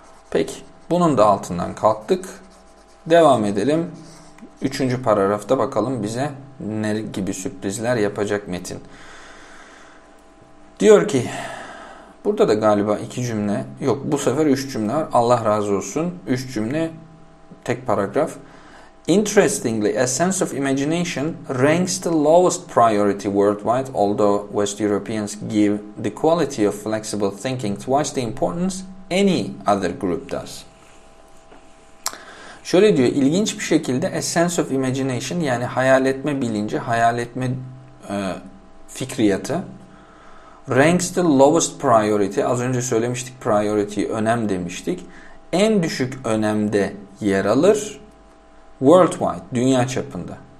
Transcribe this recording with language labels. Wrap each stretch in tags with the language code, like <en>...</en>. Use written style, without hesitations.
<tr>Peki, bunun da altından kalktık. Devam edelim. Üçüncü paragrafta bakalım bize ne gibi sürprizler yapacak Metin. Diyor ki, burada da galiba iki cümle, yok bu sefer üç cümle var. Allah razı olsun. Üç cümle, tek paragraf.</tr> <en>Interestingly, a sense of imagination ranks the lowest priority worldwide, although West Europeans give the quality of flexible thinking twice the importance any other group does.</en> <tr>Şöyle diyor, ilginç bir şekilde</tr> <en>a sense of imagination,</en> <tr>yani hayal etme bilinci, hayal etme fikriyatı</tr> <en>ranks the lowest priority,</en> <tr>az önce söylemiştik priority, önem demiştik, en düşük önemde yer alır worldwide, dünya çapında.</tr>